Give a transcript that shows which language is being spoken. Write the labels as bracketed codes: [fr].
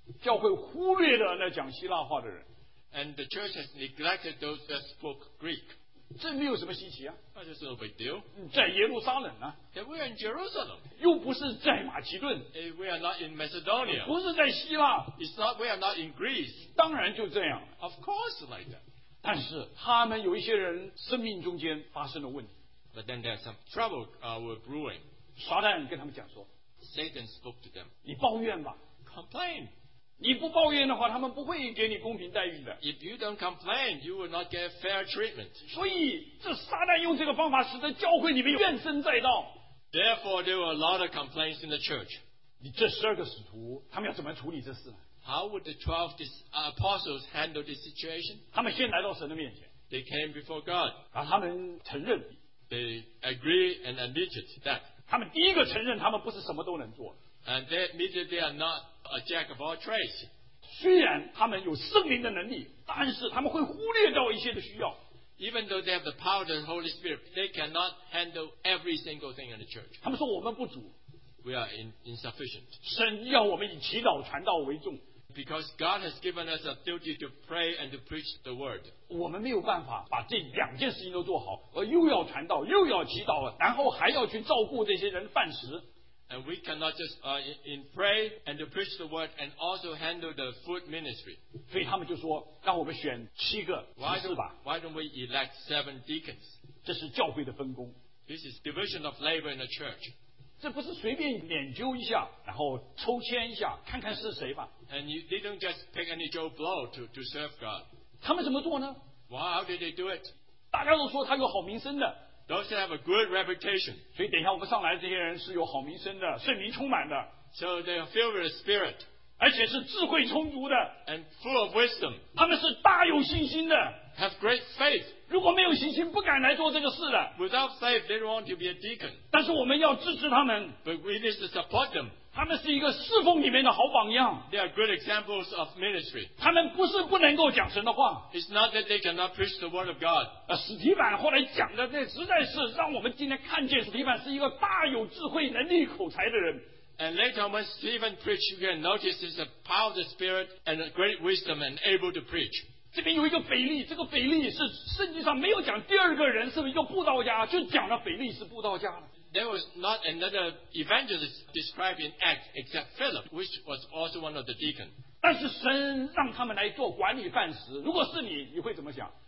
[zh] 教会忽略了那讲希腊话的人。 [en] And the church has neglected those that spoke Greek. [zh] 这没有什么稀奇啊。 [en] That is no big deal. [zh] 在耶路撒冷呢？ [en] Yeah, we are in Jerusalem. [zh] 又不是在马其顿。 [en] We are not in Macedonia. [zh] 不是在希腊。 [en] It's not, we are not in Greece. [zh] 当然就这样。 [en] Of course like that. [zh] 但是他们有一些人生命中间发生了问题。 [en] But then there's some trouble were brewing. [zh] 撒旦跟他们讲说 [en] ，Satan spoke to them. [zh] 你抱怨吧 [en] ，complain. [zh] 你不抱怨的话，他们不会给你公平待遇的。 [en] If you don't complain, you will not get fair treatment. [zh] 所以这撒旦用这个方法使得教会里面怨声载道。 [en] Therefore, there were a lot of complaints in the church. [zh] 你这十二个使徒，他们要怎么处理这事？ [en] How would the 12 apostles handle this situation? [zh] 他们先来到神的面前。 [en] They came before God. [zh] 然后他们承认。 [en] They agree and admitted that. [zh] 他们第一个承认他们不是什么都能做。 [en] And they admitted they are not a jack of all trades. [zh] 虽然他们有圣灵的能力，但是他们会忽略到一些的需要。 [en] Even though they have the power of the Holy Spirit, they cannot handle every single thing in the church. [zh] 他们说我们不足。 [en] We are insufficient. [zh] 神要我们以祈祷传道为重。 [en] Because God has given us a duty to pray and to preach the word. [zh] 我们没有办法把这两件事情都做好，而又要传道，又要祈祷，然后还要去照顾这些人饭食。 [en] And we cannot just in pray and to preach the word and also handle the food ministry. [zh] 所以他们就说，让我们选七个执事吧。 [en] Why don't we elect seven deacons? [zh] 这是教会的分工。 [en] This is division of labor in the church. [zh] 这不是随便研究一下，然后抽签一下，看看是谁吧。 [en] And you, they don't just pick any Joe Blow to serve God. [zh] 他们怎么做呢？ [en] Well, how did they do it? [zh] 大家都说他有好名声的。 [en] Those have a good reputation. [zh] 所以等一下我们上来这些人是有好名声的，圣灵充满的。 [en] So they are filled with the Spirit. [zh] 而且是智慧充足的。 [en] And full of wisdom. [zh] 他们是大有信心的。 [en] Have great faith. [zh] 如果没有信心，不敢来做这个事的。 [en] Without faith, they don't want to be a deacon. [zh] 但是我们要支持他们。 [en] But we need to support them. [zh] 他们是一个侍奉里面的好榜样。 [en] They are good examples of ministry. [zh] 他们不是不能够讲神的话。 [en] It's not that they cannot preach the word of God. [zh] 史提版后来讲的，这实在是让我们今天看见史提版是一个大有智慧、能力、口才的人。 [en] And later when Stephen preached, you can notice he's a power of the Spirit and a great wisdom and able to preach. [zh] 这边有一个腓力，这个腓力是圣经上没有讲第二个人是一个布道家，就讲了腓力是布道家的。 [en] There was not another evangelist described in Acts except Philip, which was also one of the deacons. [zh] 但是神让他们来做管理饭食，如果是你，你会怎么想？